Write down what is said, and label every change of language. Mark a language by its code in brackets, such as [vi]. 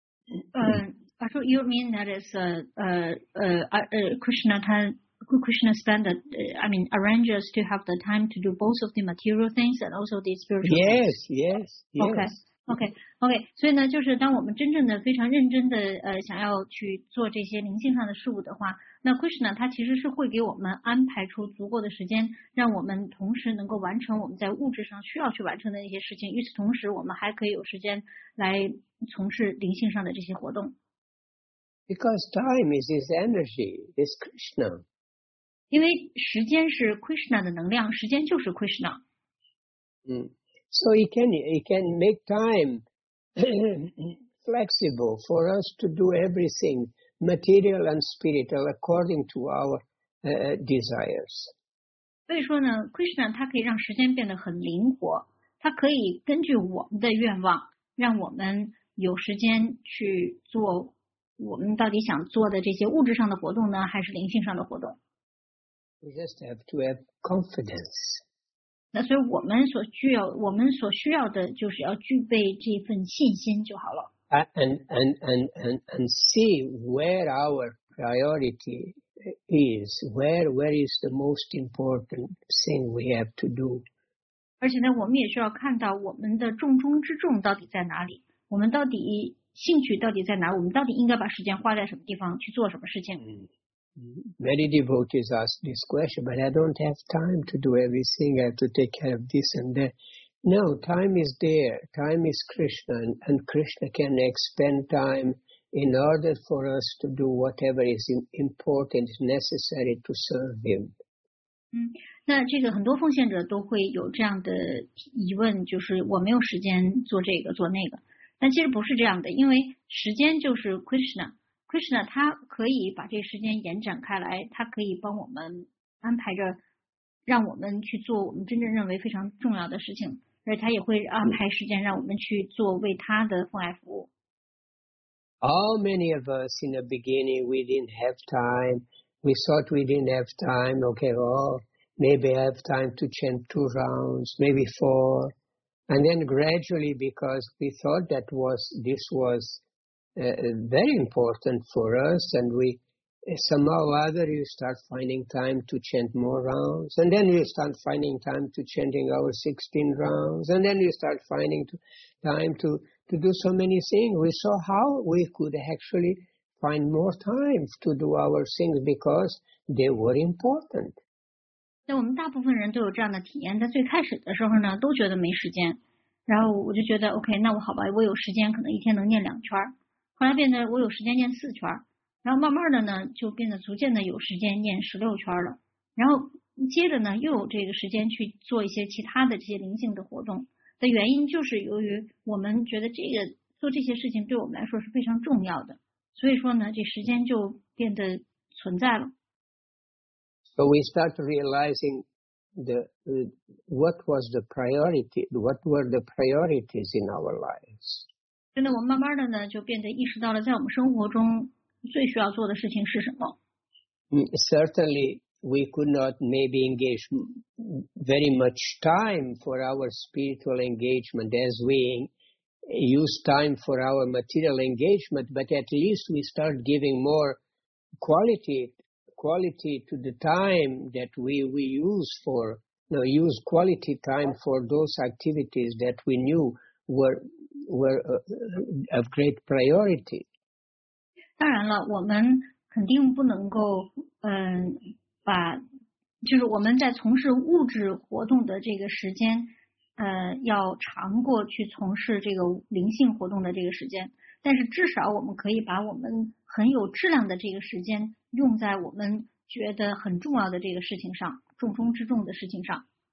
[en] So you mean that is Krishna spend the, I mean, arranges to have the time to do both of the material things and also the spiritual yes, things? Yes, yes, yes. Okay. [zh] OK, 所以呢就是当我们真正的非常认真的想要去做这些灵性上的事物的话，那 Krishna 他其实是会给我们安排出足够的时间，让我们同时能够完成我们在物质上需要去完成的一些事情，与此同时我们还可以有时间来从事灵性上的这些活动。 [en] Because time is his energy, it's Krishna. [zh] 因为时间是 Krishna 的能量，时间就是 Krishna。嗯。 [en] So he can make time flexible for us to do everything, material and spiritual, according to our desires. [zh] 所以说呢 ，Krishna 他可以让时间变得很灵活，他可以根据我们的愿望，让我们有时间去做我们到底想做的这些物质上的活动呢，还是灵性上的活动 [en] ？We just have to have confidence. [zh] 那所以我们所需要，我们所需要的就是要具备这份信心就好了。 [en] And see where our priority is, where is the most important thing we have to do. [zh] 而且呢，我们也需要看到我们的重中之重到底在哪里，我们到底兴趣到底在哪，我们到底应该把时间花在什么地方去做什么事情。 [en] Many devotees ask this question, but I don't have time to do everything. I have to take care of this and that. No, time is there. Time is Krishna, and Krishna can expend time in order for us to do whatever is important, necessary to serve Him. [zh] 那这个很多奉献者都会有这样的疑问，就是我没有时间做这个做那个。但其实不是这样的，因为时间就是 Krishna。Krishna 他可以把这时间延展开来，他可以帮我们安排着让我们去做我们真正认为非常重要的事情，而他也会安排时间让我们去做为他的奉爱服务。 [en] How many of us in the beginning we didn't have time, we thought we didn't have time, okay, well, maybe I have time to chant two rounds, maybe four, and then gradually because we thought that was, this was,very important for us, and we somehow or other you start finding time to chant more rounds, and then you start finding time to chanting our 16 rounds, and then you start finding time to do so many things. We saw how we could actually find more time to do our things because they were important. [zh] 那我们大部分人都有这样的体验，在最开始的时候呢，都觉得没时间，然后我就觉得 OK， 那我好吧，我有时间，可能一天能念两圈。后来变得我有时间念四圈，然后慢慢的呢就变得逐渐的有时间念十六圈了，然后接着呢又有这个时间去做一些其他的这些灵性的活动的原因，就是由于我们觉得这个做这些事情对我们来说是非常重要的，所以说呢这时间就变得存在了。 [en] So we start realizing the what was the priority, what were the priorities in our lives. [zh] 真的，我慢慢的呢，就变得意识到了，在我们生活中最需要做的事情是什么。 [en] Certainly, we could not maybe engage very much time for our spiritual engagement as we use time for our material engagement, but at least we start giving more quality to the time that we use for, no, use quality time for those activities that we knew were of great priority. [zh] 当然了，我们肯定不能够把就是我们在从事物质活动的这个时间要长过去从事这个灵性活动的这个时间，但是至少我们可以把我们很有质量的这个时间用在我们觉得很重要的这个事情上，重中之重的事情上。